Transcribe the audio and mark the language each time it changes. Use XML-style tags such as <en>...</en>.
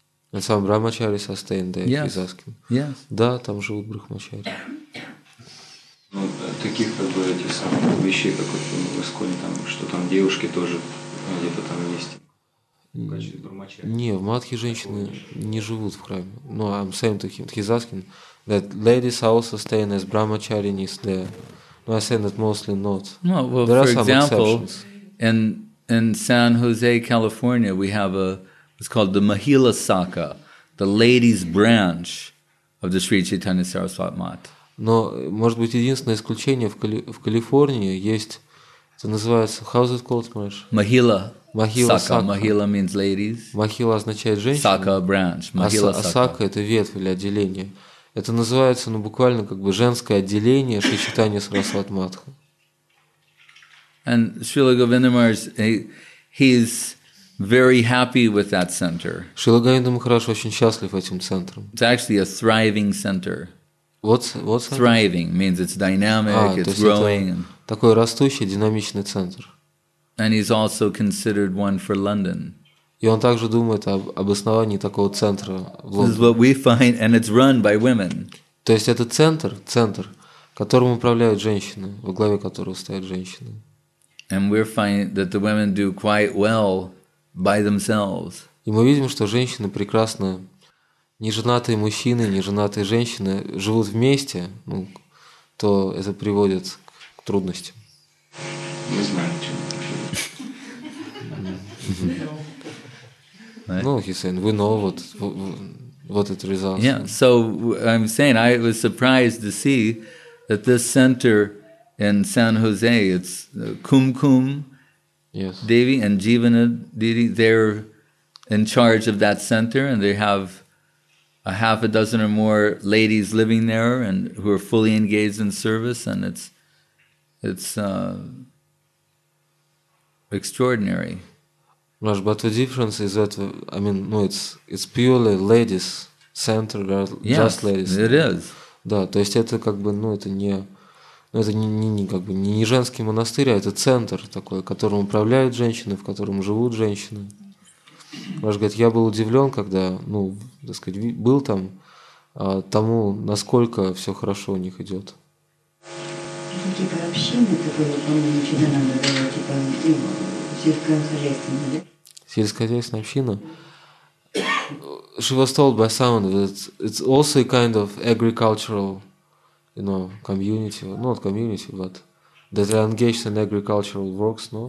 <en>And some brahmacharis are staying there, yes. He's asking. Yes.</en> <ru>Да, там живут брахмачари. Ну, таких как бы этих самых вещей, как вот в Исконе, там, что там девушки тоже где-то там есть. Не, в Мадхи женщины не живут в храме. Ну,</ru> <en>I'm saying to him, he's asking that ladies are also staying as brahmacharinis there. No, I'm saying that mostly not. No, well, there are some exceptions. In in San Jose, California, we have a what's called the Mahila Sakha, the ladies' branch of the Sri Chaitanya Saraswat Math.</en> <ru>Но, может быть, единственное исключение в Калифорнии есть. Это называется</ru> <en>how is it called,</en> <ru>знаешь?</ru> <en>Mahila. Mahila Sakha. Mahila means ladies.</en> <ru>Mahila означает женщина.</ru> <en>Sakha branch. Mahila Sakha.</en> <ru>Sakha это ветвь или отделение. Это называется, ну, буквально как бы женское отделение Шри Чайтанья Сарасвата Матха.</ru> <en>And Srila Govinda Maharaj, he's very happy with that center.</en> <ru>Шрила Говинда Махарадж очень счастлив этим центром.</ru> <en>It's actually a thriving center. What's thriving that? Means it's dynamic, it's growing.</en> <ru>Это такой растущий, динамичный центр.</ru> <en>And he's also considered one for London.</en> <ru>И он также думает об основании такого центра в Лондоне.</ru> <en>This is what we find, and it's run by women.</en> <ru>То есть это центр, которым управляют женщины, во главе которого стоят женщины.</ru> <en>And we find that the women do quite well by themselves.</en> <ru>И мы видим, что женщины прекрасные. Неженатые мужчины, неженатые женщины живут вместе, ну, то это приводит к трудностям. Мы знаем, чем это приводит. Ну,</ru> <en>he's saying, we know what it results. Yeah, so I'm saying, I was surprised to see that this center in San Jose, it's Kumkum, yes. Devi and Jivana Devi, they're in charge of that center and they have a half a dozen or more ladies living there and who are fully engaged in service, and it's extraordinary. Raj, but the difference is that it's purely ladies center, yes, just ladies. It is.</en> <ru>Да, то есть это как бы, ну, это не женский монастырь, а это центр такой, которым управляют женщины, в котором живут женщины. Ваш говорит, я был удивлен, когда, ну, так сказать, был там, тому, насколько все хорошо у них идет. Это типа общины, это было, по-моему, что-то надо было, типа, сельскохозяйственная, да? Сельскохозяйственная община.</ru> <en>She was told by someone that it's also a kind of agricultural, you know, community, not community, but that they're engaged in agricultural works, no?</en>